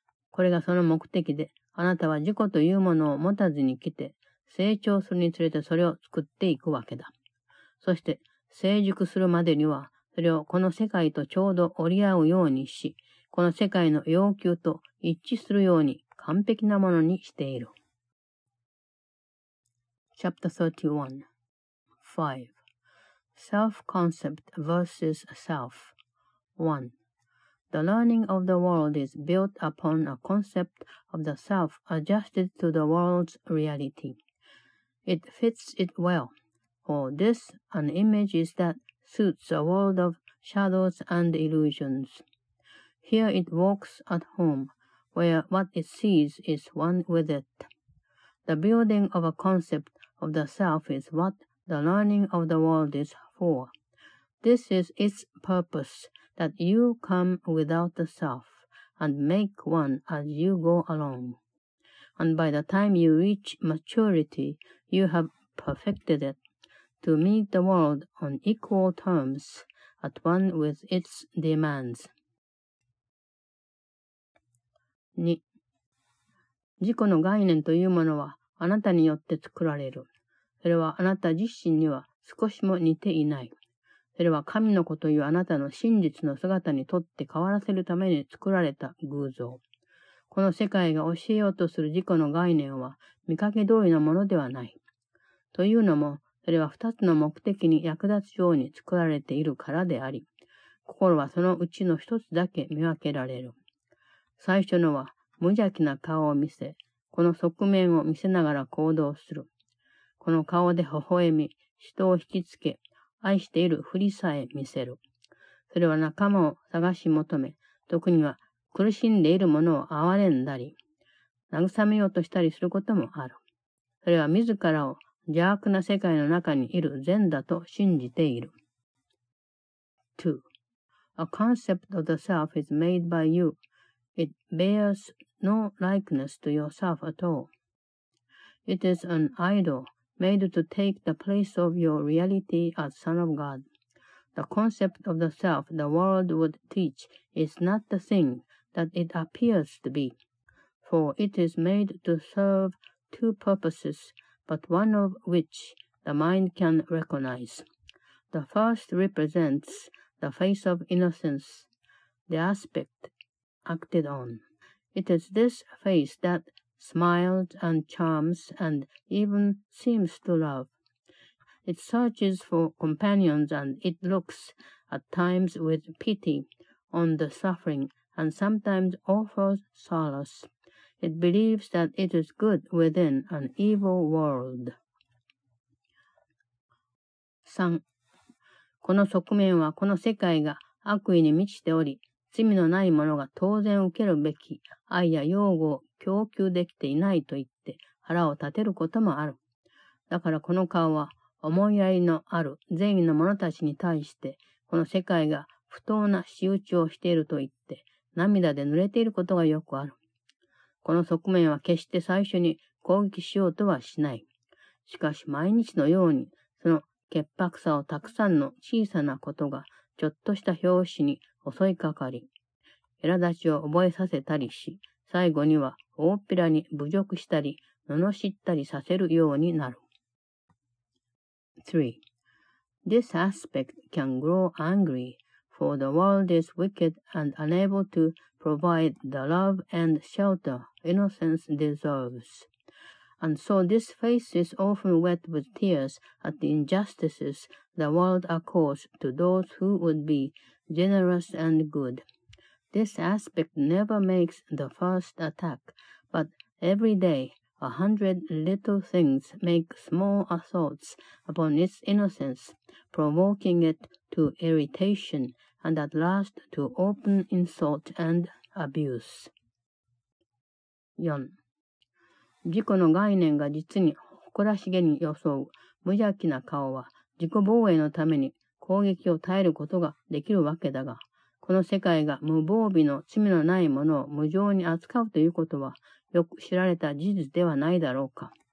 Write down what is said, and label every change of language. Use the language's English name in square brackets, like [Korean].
[Japanese] これがその目的で、あなたは自己というものを持たずに来て、成長するにつれてそれを作っていくわけだ。そして、成熟するまでには、それをこの世界とちょうど折り合うようにし、この世界の要求と一致するように完璧なものにしている。 [English] Chapter 31.5Self-concept versus self. 1. The learning of the world is built upon a concept of the self adjusted to the world's reality. It fits it well, for this an image is that suits a world of shadows and illusions. Here it walks at home, where what it sees is one with it. The building of a concept of the self is what the learning of the world is for. This is its purpose, that you come without the self, and make one as you go along. And by the time you reach maturity, you have perfected it, to meet the world on equal terms, at one with its demands. 2. [Japanese] 自己の概念というものは、あなたによって作られる。それはあなた自身には少しも似ていない。それは神の子というあなたの真実の姿にとって変わらせるために作られた偶像。この世界が教えようとする自己の概念は見かけ通りのものではない。というのも、それは二つの目的に役立つように作られているからであり、心はそのうちの一つだけ見分けられる。最初のは無邪気な顔を見せ、この側面を見せながら行動する。この顔で微笑み、人を引きつけ、愛しているふりさえ見せる。それは仲間を探し求め、特には苦しんでいる者を憐れんだり、慰めようとしたりすることもある。それは自らを邪悪な世界の中にいる善だと信じている。 2. [English] A concept of the self is made by you. It bears no likeness to yourself at all. It is an idol. Made to take the place of your reality as Son of God. The concept of the self the world would teach is not the thing that it appears to be, for it is made to serve two purposes, but one of which the mind can recognize. The first represents the face of innocence, the aspect acted on. It is this face thatsmiles and charms and even seems to love. It searches for companions and it looks, at times with pity, on the suffering and sometimes offers solace. It believes that it is good within an evil world. 3. [Japanese] この側面はこの世界が悪意に満ちており、罪のない者が当然受けるべき愛や擁護を供給できていないと言って腹を立てることもある。だからこの顔は思いやりのある善意の者たちに対してこの世界が不当な仕打ちをしていると言って涙で濡れていることがよくある。この側面は決して最初に攻撃しようとはしない。しかし毎日のようにその潔白さをたくさんの小さなことがちょっとした拍子に襲いかかり、苛立ちを覚えさせたりし、最後には大っぴらに侮辱したり、罵ったりさせるようになる。 3. [English] This aspect can grow angry, for the world is wicked and unable to provide the love and shelter innocence deserves. And so this face is often wet with tears at the injustices the world accords to those who would be generous and good. This aspect never makes the first attack, but every day, 100 little things make small assaults upon its innocence, provoking it to irritation and at last to open insult and abuse. 4. [Japanese] 自己の概念が実に誇らしげに装う無邪気な顔は自己防衛のために攻撃を耐えることができるわけだが、この世界が無防備の罪のないものを無情に扱うということはよく知られた事実ではないだろうか。